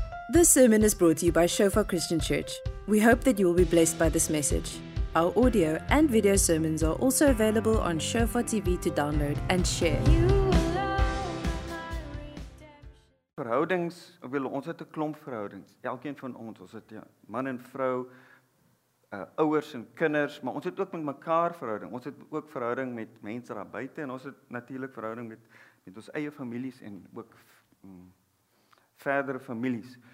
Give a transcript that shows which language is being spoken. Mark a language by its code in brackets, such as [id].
[en] This sermon is brought to you by Shofar Christian Church. We hope that you will be blessed by this message. Our audio and video sermons are also available on Shofar TV to download and share. [af] Verhoudings, ons het 'n klomp verhoudings. Elkeen van ons, ons het man en vrou, ouers en kinders, maar ons het ook met mekaar verhouding. Ons het ook verhouding met mense daar buite en ons het natuurlik verhouding met ons eie families en ook verdere families.